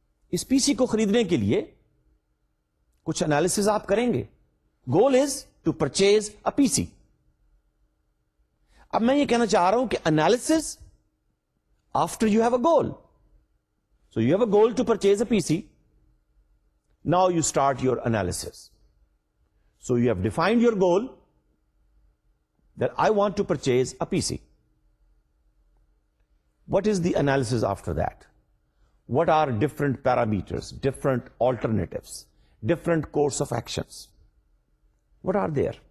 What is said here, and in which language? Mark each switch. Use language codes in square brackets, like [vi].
[ur] اس پی سی کو خریدنے کے لیے کچھ انالیسز آپ کریں گے. [en] Goal is to purchase a P C. [ur] اب میں یہ کہنا چاہ رہا ہوں کہ [en] Analysis after you have a goal. So you have a goal to purchase a P C. Now you start your analysis. So you have defined your goal that I want to purchase a P C. What is the analysis after that? What are different parameters, different alternatives, different course of actions? What are there?